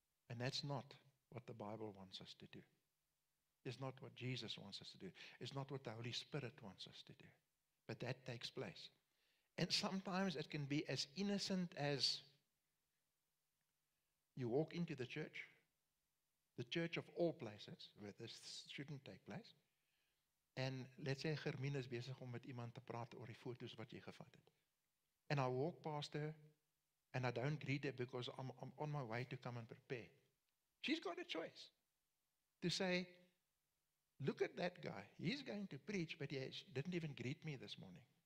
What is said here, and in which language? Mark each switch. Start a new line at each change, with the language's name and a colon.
English: And that's not what the Bible wants us to do. It's not what Jesus wants us to do. It's not what the Holy Spirit wants us to do. But that takes place. And sometimes it can be as innocent as you walk into the church of all places, where this shouldn't take place. And let's say
Afrikaans: Germine is besig om met iemand te praat oor die foto's wat jy gevat het.
English: And I walk past her, and I don't greet her because I'm on my way to come and prepare. She's got a choice to say, look at that guy. He's going to preach, but he didn't even greet me this morning.